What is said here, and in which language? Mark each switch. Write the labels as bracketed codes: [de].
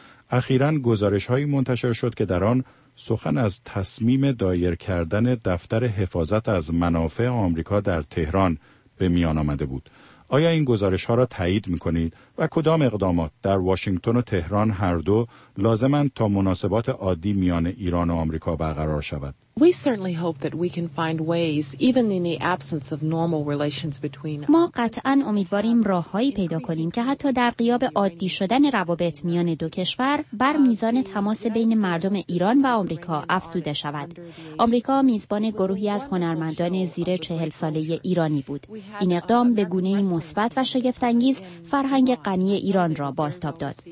[fa] اخیراً گزارش‌هایی منتشر شد که در آن سخن از تصمیم دایر کردن دفتر حفاظت از منافع آمریکا در تهران به میان آمده بود. آیا این گزارش‌ها را تایید می‌کنید و کدام اقدامات در واشنگتن و تهران هر دو لازمند تا مناسبات عادی میان ایران و آمریکا برقرار شود؟ [en] We certainly hope that we can find ways, even in the absence of normal relations between us. [fa] ما قطعاً امیدواریم راه‌هایی پیدا کنیم که حتی در غیاب عادی شدن روابط میان دو کشور، بر میزان تماس بین مردم ایران و آمریکا افزوده شود. آمریکا میزبان گروهی از هنرمندان زیر 40 ساله ایرانی بود. این اقدام به گونه‌ای مثبت و شگفت‌انگیز فرهنگ غنی ایران را بازتاب داد.